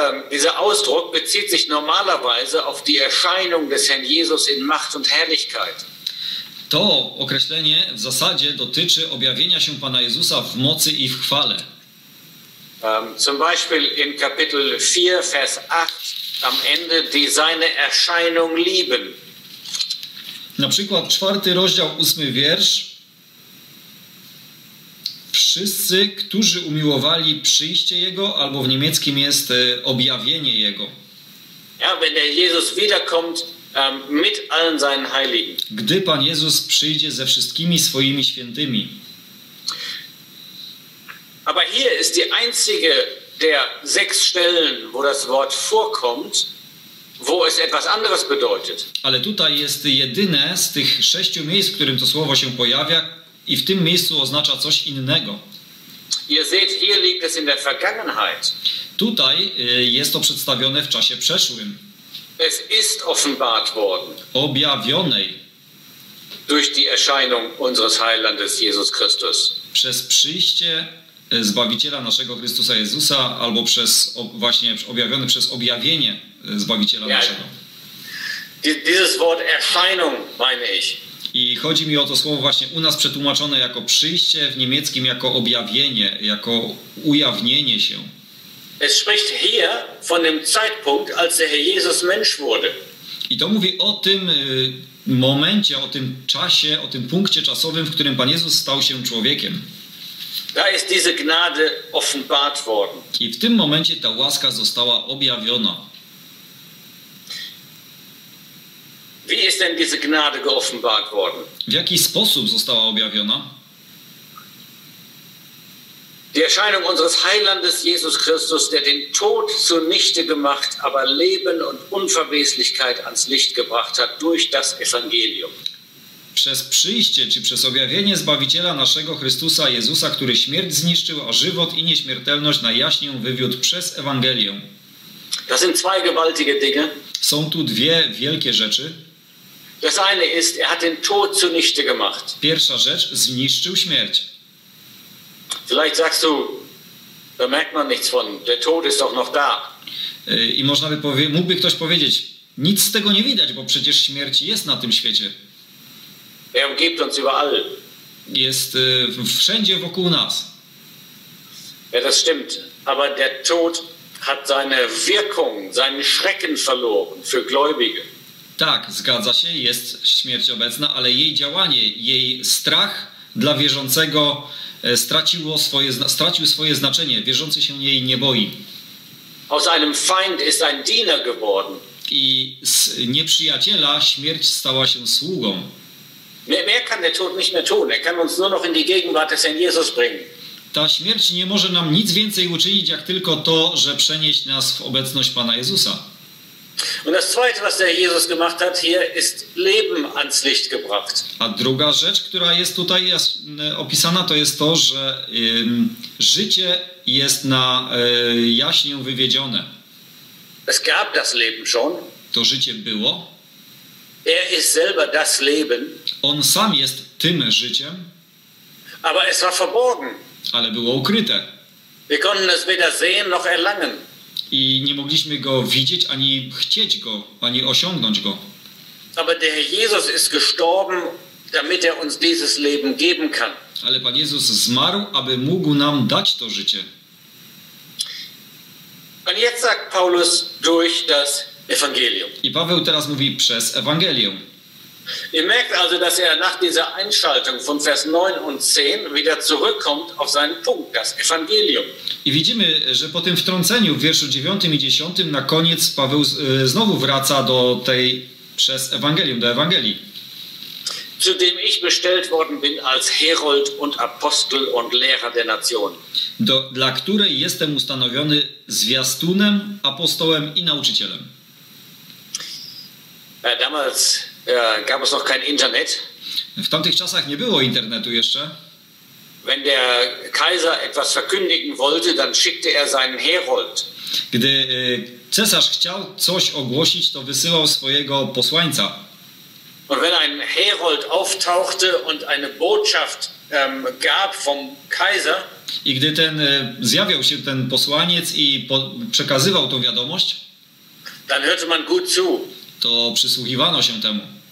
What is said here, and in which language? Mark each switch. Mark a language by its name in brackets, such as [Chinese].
[German] Dieser Ausdruck bezieht sich normalerweise auf die Erscheinung des Herrn Jesus in Macht und Herrlichkeit. [Polish] To określenie w zasadzie dotyczy objawienia się Pana Jezusa w mocy i w chwale. [German] Zum Beispiel in Kapitel 4, Vers 8 am Ende, die seine Erscheinung lieben. [Polish] Na przykład 4:8. Wszyscy, którzy umiłowali przyjście Jego, albo w niemieckim jest objawienie Jego. [German] Ja, wenn der Jesus wiederkommt, mit allen seinen Heiligen. [Polish] Gdy Pan Jezus przyjdzie ze wszystkimi swoimi świętymi. [German] Aber hier ist die einzige der 6 Stellen, wo das Wort vorkommt, wo es etwas anderes bedeutet. [Polish] Ale tutaj jest jedyne z tych 6 miejsc, w którym to słowo się pojawia i w tym miejscu oznacza coś innego. [German] Ihr seht, hier liegt es in der Vergangenheit. [Polish] Tutaj jest to przedstawione w czasie przeszłym. [German] Es ist offenbart worden. [Polish] Objawionej. [German] Durch die Erscheinung unseres Heilandes Jesus Christus. [Polish] Przez przyjście Zbawiciela naszego Chrystusa Jezusa albo przez właśnie objawione przez objawienie Zbawiciela naszego. [German] Dieses Wort Erscheinung meine ich. [Polish] I chodzi mi o to słowo właśnie u nas przetłumaczone jako przyjście, w niemieckim jako objawienie, jako ujawnienie się. [German] Es spricht hier von dem Zeitpunkt, als der Herr Jesus Mensch wurde. [Polish] I to mówi o tym momencie, o tym czasie, o tym punkcie czasowym, w którym Pan Jezus stał się człowiekiem. [German] Da ist diese Gnade offenbart worden. [Polish] I w tym momencie ta łaska została objawiona. [German] Wie ist denn diese Gnade geoffenbart worden? [Polish] W jaki sposób została objawiona? [German] Die Erscheinung unseres Heilandes Jesus Christus, der den Tod zunichte gemacht, aber Leben und Unverweslichkeit ans Licht gebracht hat durch das Evangelium. [Polish] Przez przyjście, czy przez objawienie Zbawiciela naszego Chrystusa Jezusa, który śmierć zniszczył, a żywot i nieśmiertelność na jaśnię wywiódł przez Ewangelię. [German] Das sind zwei gewaltige Dinge. [Polish] Są tu dwie wielkie rzeczy. [German] Das eine ist, er hat den Tod zunichte gemacht. [Polish] Pierwsza rzecz, zniszczył śmierć. [German] Vielleicht sagst du, da merkt man nichts von, der Tod ist doch noch da. [Polish] I można by mógłby ktoś powiedzieć, nic z tego nie widać, bo przecież śmierć jest na tym świecie. [German] Er umgibt uns überall. [Polish] Jest wszędzie wokół nas. [German] Ja, das stimmt. Aber der Tod hat seine Wirkung, seinen Schrecken verloren für Gläubige. [Polish] Tak, zgadza się, jest śmierć obecna, ale jej działanie, jej strach dla wierzącego stracił swoje znaczenie. Wierzący się jej nie boi. [German] Aus einem Feind ist ein Diener geworden. [Polish] I z nieprzyjaciela śmierć stała się sługą. [German] Mehr kann der Tod nicht mehr tun. Er kann uns nur noch in die Gegenwart des Herrn Jesus bringen. [Polish] Ta śmierć nie może nam nic więcej uczynić, jak tylko to, że przenieść nas w obecność Pana Jezusa. [German] Und das zweite, was der Jesus gemacht hat, hier ist Leben ans Licht gebracht. [Polish] A druga rzecz, która jest tutaj opisana, to jest to, że życie jest na jaśnię wywiedzione. [German] Es gab das Leben schon. [Polish] To życie było. [German] Er ist selber das Leben. [Polish] On sam jest tym życiem. [German] Aber es war verborgen. [Polish] Ale było ukryte. [German] Wir konnten es weder sehen noch erlangen. [Polish] I nie mogliśmy go widzieć, ani chcieć go, ani osiągnąć go. [German] Aber der Jesus ist gestorben, damit er uns dieses Leben geben kann. [Polish] Ale Pan Jezus zmarł, aby mógł nam dać to życie. [German] Und jetzt sagt Paulus durch das Evangelium. [Polish] I Paweł teraz mówi przez Ewangelię. [German] Ihr merkt also, dass er nach dieser Einschaltung von Vers 9 und 10 wieder zurückkommt auf seinen Punkt, das Evangelium. [Polish] I widzimy, że po tym wtrąceniu w wierszu 9 i 10 na koniec Paweł znowu wraca do tej przez Ewangelium, do Ewangelii. [German] Zu dem ich bestellt worden bin als Herold und Apostel und Lehrer der Nation. [Polish] Dla której jestem ustanowiony zwiastunem, apostołem i nauczycielem. [German] Damals gab es noch kein Internet. [Polish] W tamtych czasach nie było internetu jeszcze. [German] Wenn der Kaiser etwas verkündigen wollte, dann schickte er seinen Herold. [Polish] Gdy cesarz chciał coś ogłosić, to wysyłał swojego posłańca. [German] Und wenn ein Herold auftauchte und eine Botschaft gab vom Kaiser. [Polish] I gdy ten zjawiał się ten posłaniec i przekazywał tą wiadomość, [German] dann hörte man gut zu. [Polish] To przysłuchiwano się temu.